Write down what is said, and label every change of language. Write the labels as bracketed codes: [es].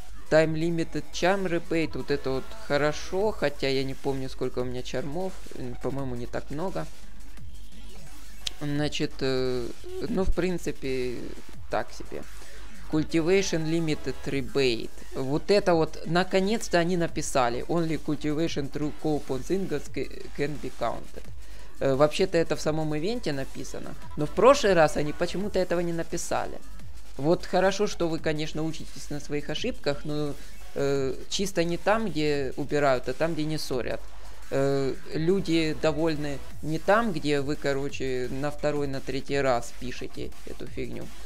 [en] Time Limited Charm Rebate. [ru] Вот это вот хорошо. Хотя я не помню, сколько у меня чармов. По-моему, не так много. Значит, ну, в принципе, так себе. [en] Cultivation Limited Rebate. [ru] Вот это вот, наконец-то они написали. [en] Only cultivation through coupons ingots can be counted. [ru] Вообще-то это в самом ивенте написано. Но в прошлый раз они почему-то этого не написали. Вот хорошо, что вы, конечно, учитесь на своих ошибках, но чисто не там, где убирают, а там, где не ссорят. Люди довольны не там, где вы, короче, на второй, на третий раз пишете эту фигню.